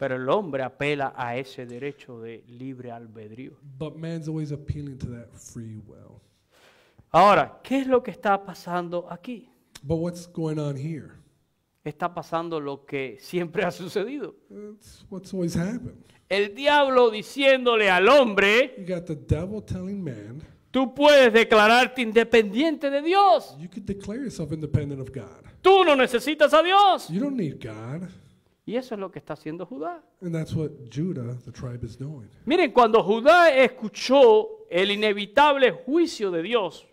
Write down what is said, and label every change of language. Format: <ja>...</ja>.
<es>Pero el hombre apela a ese derecho de libre albedrío.</es> <en>But man's always appealing to that free will.</en> <es>Ahora, ¿qué es lo que está pasando aquí?</es> <en>But what's going on here?</en> <es>Está pasando lo que siempre ha sucedido.</es> <en>It's what's always happened.</en> <es>El diablo diciéndole al hombre,</es> <en>you got the devil telling man,</en> <es>tú puedes declararte independiente de Dios.</es> <en>You could declare yourself independent of God.</en> <es>Tú no necesitas a Dios.</es> <en>You don't need God.</en> <es>Y eso es lo que está haciendo Judá.</es> <en>And that's what Judah, the tribe, is doing.</en> <es>Miren, cuando Judá escuchó el inevitable juicio de Dios,</es>